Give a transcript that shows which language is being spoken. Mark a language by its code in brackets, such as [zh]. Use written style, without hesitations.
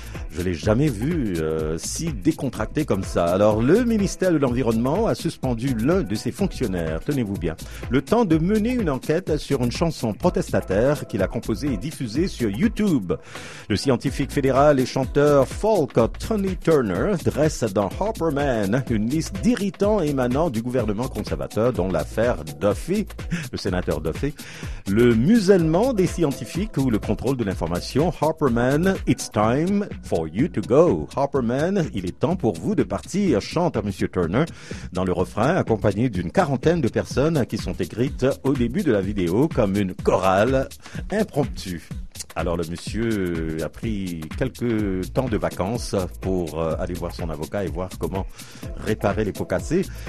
[fr] Je l'ai jamais vu si décontracté comme ça. Alors le ministère de l'environnement a suspendu l'un de ses fonctionnaires, tenez-vous bien, le temps de mener une enquête sur une chanson protestataire qu'il a composé et diffusé sur YouTube. Le scientifique fédéral et chanteur folk Tony Turner dresse dans Harper Man une liste d'irritants émanant du gouvernement conservateur, dont l'affaire Duffy, le sénateur Duffy. Le musellement des scientifiques ou le contrôle de l'information. [en] Harper Man, it's time for you to go. [fr] Harper Man, il est temps pour vous de partir, chante M. Turner dans le refrain, accompagné d'une quarantaine de personnes qui sont écrites au début de la vidéo comme une chorale impromptu. Alors le monsieur a pris quelques temps de vacances pour aller voir son avocat et voir comment réparer les pots cassés.